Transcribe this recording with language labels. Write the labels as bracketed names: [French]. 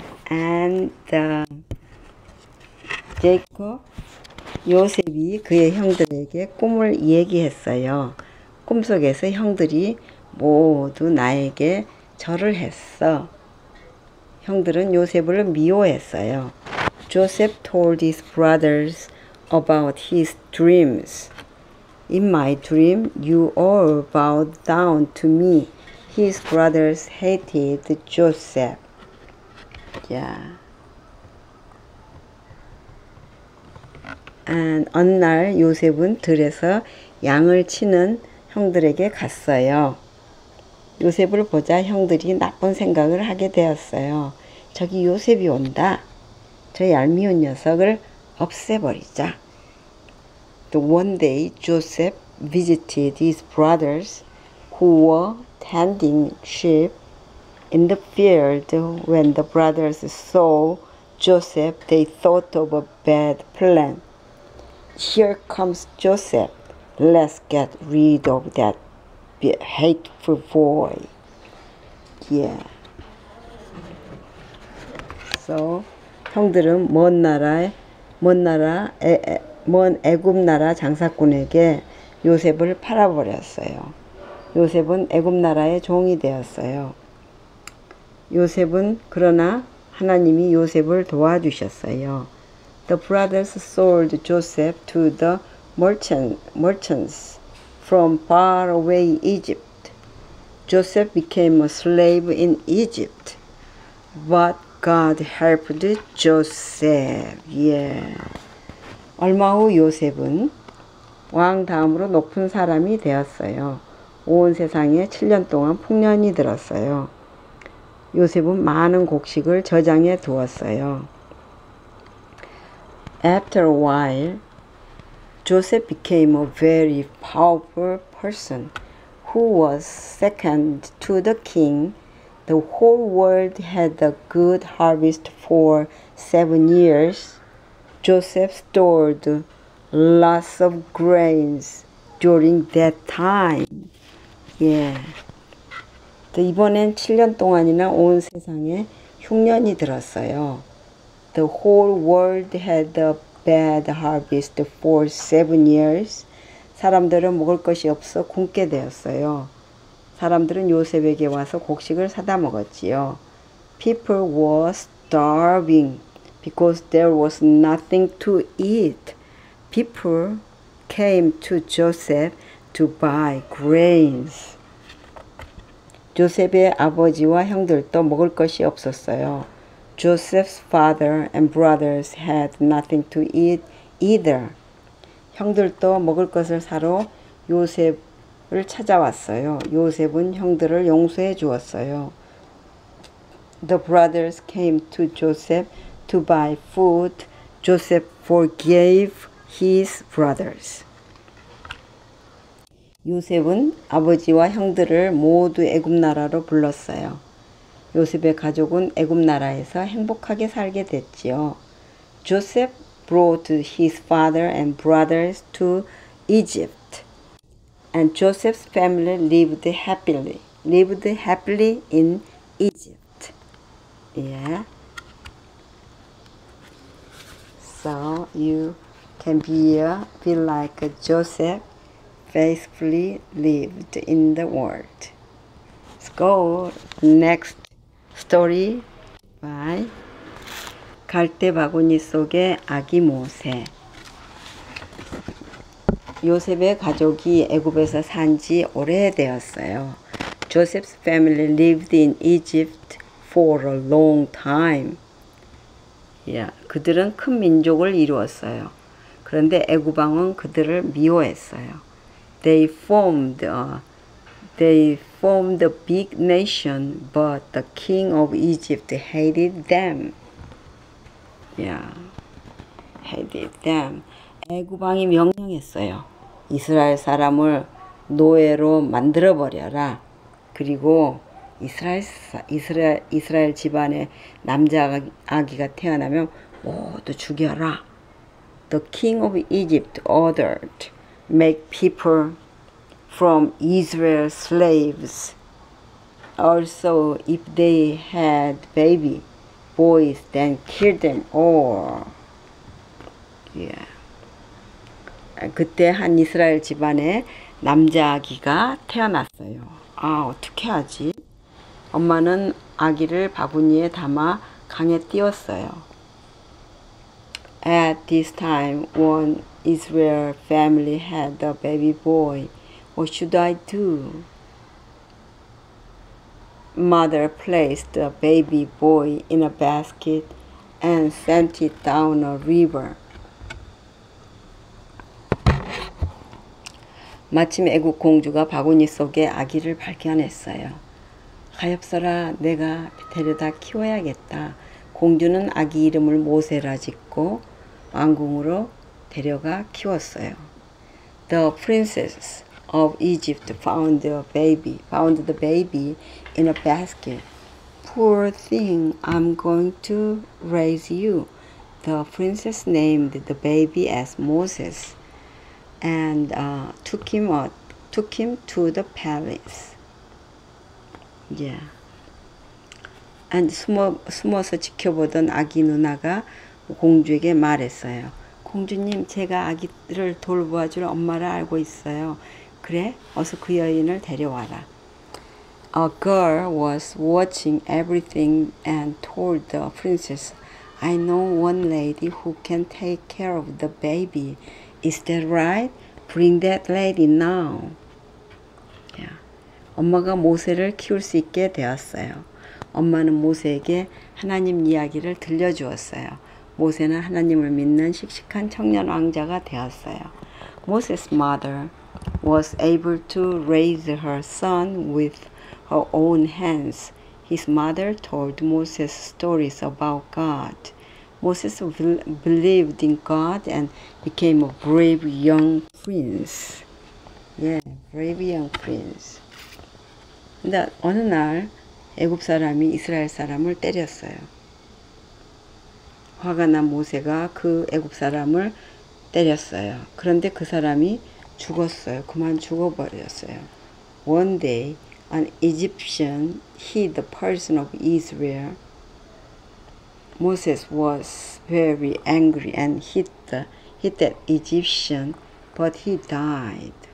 [Korean] And Jacob, 요셉이 그의 형들에게 꿈을 얘기했어요. 꿈속에서 형들이 모두 나에게 절을 했어. 형들은 요셉을 미워했어요. [English] Joseph told his brothers about his dreams. In my dream, you all bowed down to me. His brothers hated Joseph. Yeah. [Korean] And 어느 날 요셉은 들에서 양을 치는 형들에게 갔어요. 요셉을 보자 형들이 나쁜 생각을 하게 되었어요. 저기 요셉이 온다. 저 얄미운 녀석을 없애버리자. [English] One day, Joseph visited his brothers who were tending sheep in the field. When the brothers saw Joseph, they thought of a bad plan. Here comes Joseph. Let's get rid of that hateful boy. Yeah. [Korean] So, 형들은 먼 애굽 나라 장사꾼에게 요셉을 팔아버렸어요. 요셉은 애굽 나라의 종이 되었어요. 요셉은 그러나 하나님이 요셉을 도와주셨어요. [English] The brothers sold Joseph to the merchants from far away Egypt. Joseph became a slave in Egypt. But God helped Joseph. Yeah. [Korean] 얼마 후 요셉은 왕 다음으로 높은 사람이 되었어요. 온 세상에 7년 동안 풍년이 들었어요. 요셉은 많은 곡식을 저장해 두었어요. [English] After a while, Joseph became a very powerful person who was second to the king. The whole world had a good harvest for 7 years. Joseph stored lots of grains during that time. Yeah. [Korean] 이번엔 7년 동안이나 온 세상에 흉년이 들었어요. [English] The whole world had a bad harvest for 7 years. [Korean] 사람들은 먹을 것이 없어 굶게 되었어요. 사람들은 요셉에게 와서 곡식을 사다 먹었지요. [English] People were starving because there was nothing to eat. People came to Joseph to buy grains. [Korean] 요셉의 아버지와 형들도 먹을 것이 없었어요. [English] Joseph's father and brothers had nothing to eat either. [Korean] 형들도 먹을 것을 사러 요셉을 찾아왔어요. 요셉은 형들을 용서해 주었어요. [English] The brothers came to Joseph to buy food. Joseph forgave his brothers. [Korean] 요셉은 아버지와 형들을 모두 애굽 나라로 불렀어요. 요셉의 가족은 애굽 나라에서 행복하게 살게 됐지요. [English] Joseph brought his father and brothers to Egypt. And Joseph's family lived happily in Egypt. Yeah. So you can be like Joseph faithfully lived in the world. Let's go next. Story by [Korean] 갈대 바구니 속의 아기 모세. 요셉의 가족이 애굽에서 산 지 오래되었어요. [English] Joseph's family lived in Egypt for a long time. [Korean] Yeah, 그들은 큰 민족을 이루었어요. 그런데 애굽 왕은 그들을 미워했어요. [English] They formed a big nation, but the king of Egypt hated them. Yeah, hated them. [Korean] 애굽 왕이 명령했어요. 이스라엘 사람을 노예로 만들어 버려라. 그리고 이스라엘 집안에 남자 아기가 태어나면 모두 죽여라. [English] The king of Egypt ordered make people from Israel slaves. Also, if they had baby boys, then kill them all. Yeah. [Korean] 그때 한 이스라엘 집안에 남자 아기가 태어났어요. 아, 어떻게 하지? 엄마는 아기를 바구니에 담아 강에 띄웠어요. [English] At this time, one Israel family had a baby boy. What should I do? Mother placed the baby boy in a basket and sent it down a river. [Korean] 마침 애굽 공주가 바구니 속에 아기를 발견했어요. 가엾어라, 내가 데려다 키워야겠다. 공주는 아기 이름을 모세라 짓고 왕궁으로 데려가 키웠어요. [English] The princess of Egypt found the baby in a basket. Poor thing, I'm going to raise you. The princess named the baby as Moses and took him to the palace. Yeah. [Korean] And 숨어서 지켜보던 아기 누나가 공주에게 말했어요. 공주님, 제가 아기를 돌보아줄 엄마를 알고 있어요. 그래, 어서 그 여인을 데려와라. [English] A girl was watching everything and told the princess, I know one lady who can take care of the baby. Is that right? Bring that lady now. Yeah. [Korean] 엄마가 모세를 키울 수 있게 되었어요. 엄마는 모세에게 하나님 이야기를 들려주었어요. 모세는 하나님을 믿는 씩씩한 청년 왕자가 되었어요. [English] Moses' mother was able to raise her son with her own hands. His mother told Moses stories about God. Moses believed in God and became a brave young prince. Yeah, brave young prince. [Korean] 근데 어느 날 애굽 사람이 이스라엘 사람을 때렸어요. 화가 난 모세가 그 애굽 사람을 때렸어요. 그런데 그 사람이 죽었어요. 그만 죽어버렸어요. [English] One day, an Egyptian hit the person of Israel. Moses was very angry and hit that Egyptian, but he died.